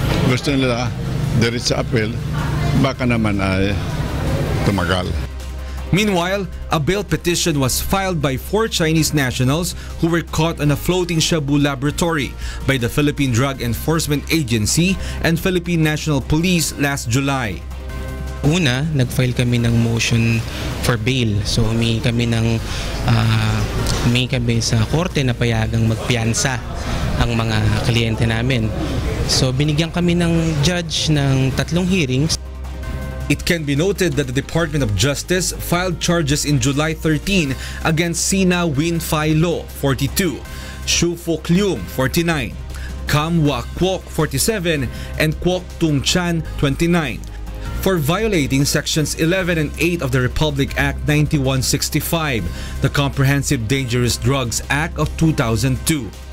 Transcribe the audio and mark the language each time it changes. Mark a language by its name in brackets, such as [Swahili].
[Filipino] Gusto nila, direct sa appeal, baka naman ay tumagal. [English] Meanwhile, a bail petition was filed by 4 Chinese nationals who were caught in a floating shabu laboratory by the Philippine Drug Enforcement Agency and Philippine National Police last July. [Filipino] Una, nag-file kami ng motion for bail. So humingi kami sa korte na payagang magpiyansa ang mga kliyente namin. So binigyan kami ng judge ng 3 hearings. [English] It can be noted that the Department of Justice filed charges in July 13 against Sina Win Phai Lo, 42, Shu Fok Leung, 49, Kam Wa Kwok, 47, and Kwok Tung Chan, 29, for violating Sections 11 and 8 of the Republic Act 9165, the Comprehensive Dangerous Drugs Act of 2002.